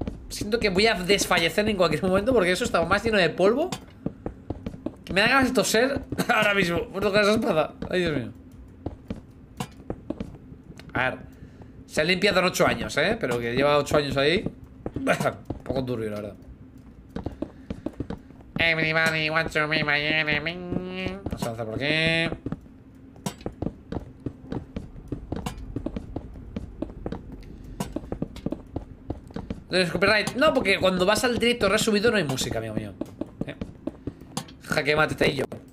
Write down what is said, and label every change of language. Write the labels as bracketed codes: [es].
[es] Siento que voy a desfallecer en cualquier momento porque eso estaba más lleno de polvo. Que me da ganas de toser ahora mismo por tocar esa espada. Ay, Dios mío. A ver, se ha limpiado en 8 años, ¿eh? Pero que lleva 8 años ahí. Un poco turbio, la verdad. [en] Everybody wants to be my enemy. [es] Vamos a avanzar por aquí. ¿Tienes copyright? No, porque cuando vas al directo resubido no hay música, amigo mío. Jaque mate, te y yo.